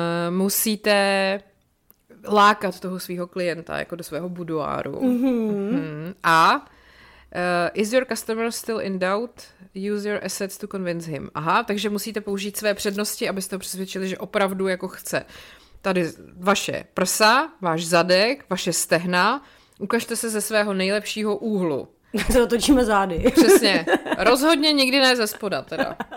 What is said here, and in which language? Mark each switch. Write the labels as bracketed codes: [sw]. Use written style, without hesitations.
[cs] musíte lákat toho svého klienta jako do svého buduáru. [en] A is your customer still in doubt? Use your assets to convince him. [cs] Aha, takže musíte použít své přednosti, abyste ho přesvědčili, že opravdu jako chce. Tady vaše prsa, váš zadek, vaše stehna. Ukažte se ze svého nejlepšího úhlu. Se otočíme zády. Přesně. Rozhodně nikdy ne ze spoda teda.